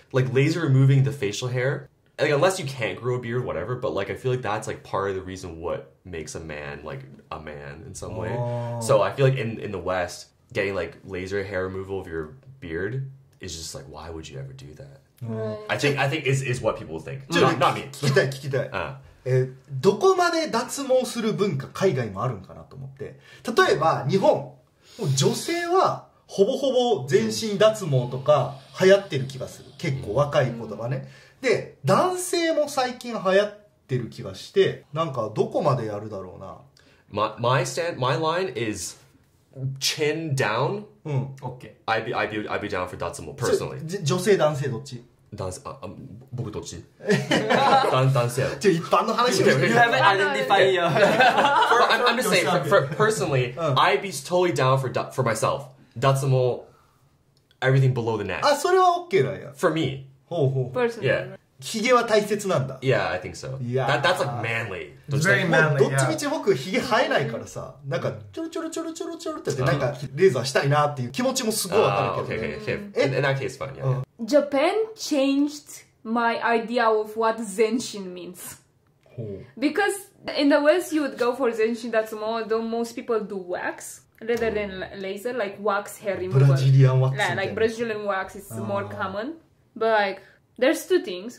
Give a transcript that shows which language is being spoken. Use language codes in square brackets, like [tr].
[en] Like laser removing the facial hair. Like unless you can't grow a beard, whatever. But like I feel like that's like part of the reason what makes a man like a man in some way. So I feel like in the West, getting like laser hair removal of your beard is just like, why would you ever do that? I think is what people think. Not me. [ja] 聞きたい聞きたい。どこまで脱毛する文化海外もあるんかなと思って。例えば日本、女性はほぼほぼ全身脱毛とか流行ってる気がする。結構若い子とかね。で、男性も最近流行ってる気がして、なんかどこまでやるだろうな。 [en] My line is chin down. OK. I'd be down for 脱毛 personally. [ja] 女性男性どっち？男性、僕どっち？男性じゃ一般の話じゃない。 [en] You haven't identified your. I'm just saying, for personally, I'd be totally down for myself. That's more everything below the neck. [ja] Ah, それは OK だよ. [en] For me. [ja] ほうほう. [en] Personally. Yeah. [ja] ヒゲは大切なんだ. [en] Yeah, I think so. Yeah. That's like manly. It's very manly, yeah. [ja] どっちみち僕ヒゲ生えないからさ、なんかちょろちょろちょろちょろちょろってなんかレーザーしたいなっていう気持ちもすごいわかるけど. [en] Okay, okay, okay. In that case, fine, yeah. Japan changed my idea of what Zenshin means. Because in the West, you would go for Zenshin, that's more, though most people do wax. Rather than laser, like wax hair removal. Brazilian wax. Like Brazilian wax is more common. But like, There's two things.